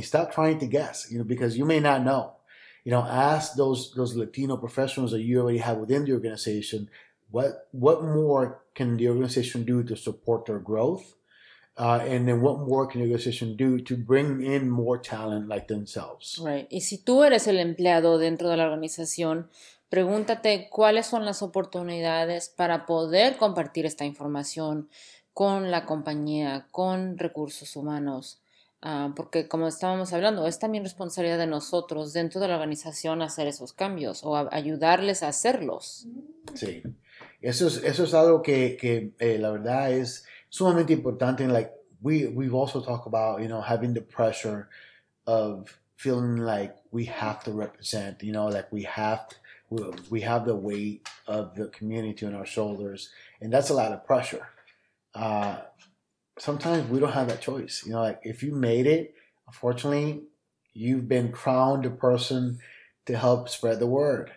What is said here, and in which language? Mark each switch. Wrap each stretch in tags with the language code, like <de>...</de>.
<en>Stop trying to guess, you know, because you may not know. You know, ask those Latino professionals that you already have within the organization, what more can the organization do to support their growth? And then what more can the organization do to bring in more talent like themselves? Right.</en> <es>Y si tú eres el empleado dentro de la organización, pregúntate cuáles son las oportunidades para poder compartir esta información con la compañía, con recursos humanos. Porque como estábamos hablando, es también responsabilidad de nosotros dentro de la organización hacer esos cambios o ayudarles a hacerlos. Sí, eso es algo que la verdad es sumamente importante.</es> <en>Like we've also talked about, you know, having the pressure of feeling like we have to represent, you know, like we have the weight of the community on our shoulders, and that's a lot of pressure. Sometimes we don't have that choice. You know, like if you made it, unfortunately, you've been crowned a person to help spread the word.</en>